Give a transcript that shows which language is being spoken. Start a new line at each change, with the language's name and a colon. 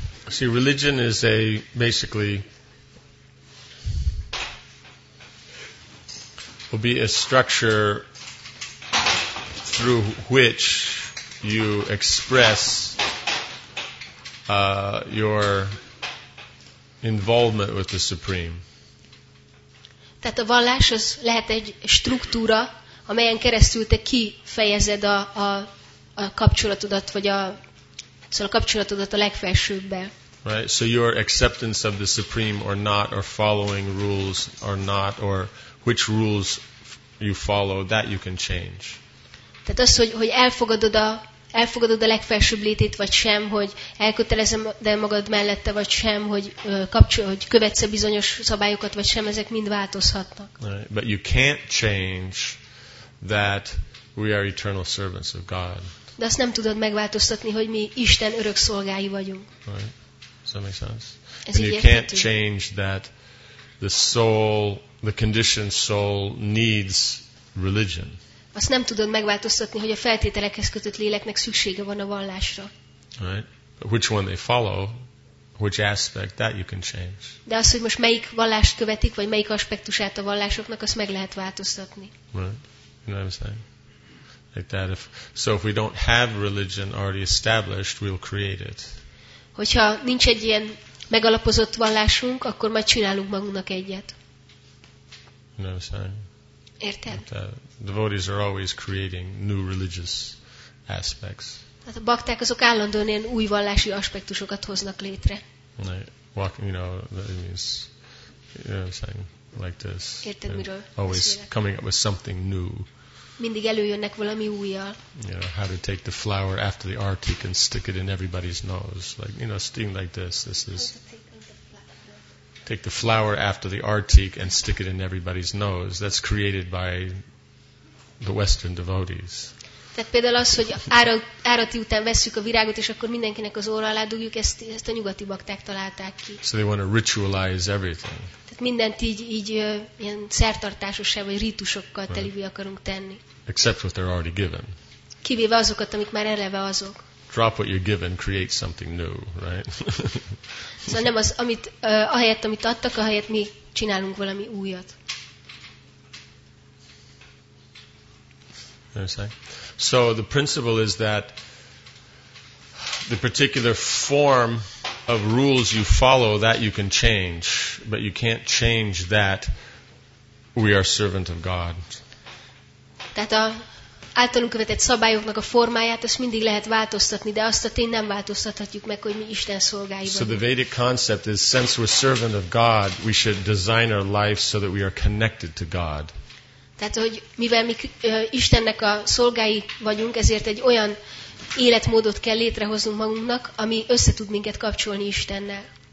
English: See, religion is will be a structure through which you express your involvement with the Supreme.
Hungarian: Tehát a vallás az lehet egy struktúra, amelyen keresztül te kifejezed a kapcsolatodat, vagy a, szóval a kapcsolatodat a legfelsőbbe.
English: Right, so your acceptance of the Supreme or not, or following rules or not, or which rules you follow, that you can change.
Hungarian: Tehát az, hogy elfogadod a legfelsőbb létét, vagy sem, hogy elkötelezed magad mellette, vagy sem, hogy követsz bizonyos szabályokat, vagy sem, ezek mind változhatnak.
English: Right. But you can't change that we are eternal servants of God.
Hungarian: De azt nem tudod megváltoztatni, hogy mi Isten örök szolgái vagyunk.
English: Right. Does that make sense?
Hungarian: Ez
English: and you can't change that the soul, the conditioned soul needs religion.
Hungarian: Azt nem tudod megváltoztatni, hogy a feltételekhez kötött léleknek szüksége van a vallásra.
English: Right. Which one they follow, which aspect, that you can change.
Hungarian: De az, hogy most melyik vallást követik, vagy melyik aspektusát a vallásoknak, azt meg lehet változtatni.
English: Right. You know what I'm saying? Like that. If we don't have religion already established, we'll create it.
Hungarian: Hogyha nincs egy ilyen megalapozott vallásunk, akkor majd csinálunk magunknak egyet.
English: You know what I'm saying?
Hungarian: Érted?
English: The devotees are always creating new religious aspects.
Hungarian: Hát a bakták azok állandóan ilyen új vallási aspektusokat hoznak létre.
English: Like, you know, that means, you know what I'm saying, like this.
Hungarian: Érted, miről?
English: Always coming up with something new.
Hungarian: Mindig előjönnek valami újjal.
English: You know, how to take the flower after the artik and stick it in everybody's nose. Like, you know, sting like this. This is... Take the flower after the artik and stick it in everybody's nose. That's created by the Western devotees.
Hungarian: Tehát például az, hogy árati után vesszük a virágot, és akkor mindenkinek az óra alá dugjuk, ezt a nyugati bakták találták ki.
English: So they want to ritualize everything.
Hungarian: Tehát mindent így ilyen szertartásossá, vagy rítusokkal telivé akarunk tenni.
English: Except what they're already given.
Hungarian: Kivéve azokat, amik már eleve azok.
English: Drop what you're given, create something new, right?
Hungarian: Szóval nem az, amit ahelyett, amit adtak, ahelyett mi csinálunk valami újat.
English: So the principle is that the particular form of rules you follow, that you can change, but you can't change that we are servant of God.
Hungarian: Tehát a általunk követett szabályoknak a formáját, azt mindig lehet változtatni, de azt a tény nem változtathatjuk meg, hogy mi Isten szolgái vagyunk.
English: So the Vedic concept is, since we're servant of God, we should design our life so that we are connected to God.
Hungarian: Tehát, hogy mivel mi Istennek a szolgái vagyunk, ezért egy olyan életmódot kell létrehoznunk magunknak, ami összetud minket kapcsolni Istennel.